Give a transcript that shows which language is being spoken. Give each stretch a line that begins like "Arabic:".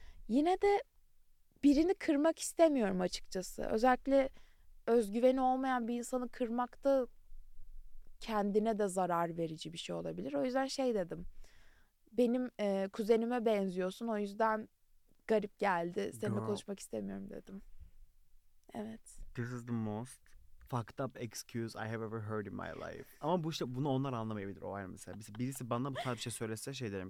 Turkish: Yine de birini kırmak istemiyorum açıkçası. Özellikle özgüveni olmayan bir insanı kırmak da kendine de zarar verici bir şey olabilir. O yüzden şey dedim. Benim kuzenime benziyorsun, o yüzden garip geldi. Seninle
English: Girl,
Turkish: konuşmak istemiyorum dedim. Evet.
English: this is the most fucked up excuse I have ever heard in my life.
Turkish: Ama bu işte bunu onlar anlamayabilir, o ayrı mesela. Birisi bana bu tarz bir şey söylese şey derim.